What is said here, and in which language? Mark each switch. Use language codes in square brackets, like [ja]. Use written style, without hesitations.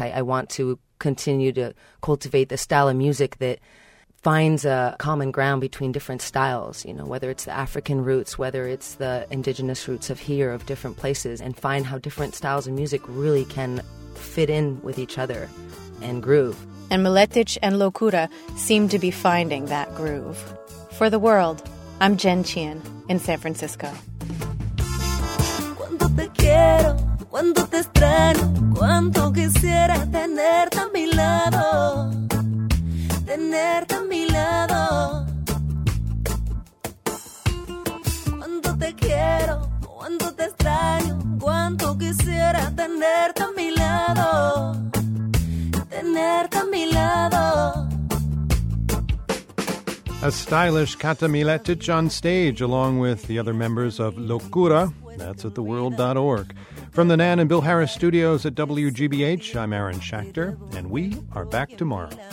[en] I want to continue to cultivate the style of music that finds a common ground between different styles, you know, whether it's the African roots, whether it's the indigenous roots of here, of different places, and find how different styles of music really can fit in with each other and groove. And Miletic and Locura seem to be finding that groove. For The World, I'm Jen Chien in San Francisco. [es] Cuando te quiero, cuando te extraño, cuánto quisiera tenerte a mi lado, tenerte a mi lado. Cuando te quiero, cuando te extraño, cuánto quisiera tenerte a mi lado, tenerte a mi lado. [en] A stylish Kata Miletic on stage, along with the other members of Locura. That's at theworld.org. From the Nan and Bill Harris studios at WGBH, I'm Aaron Schachter, and we are back tomorrow.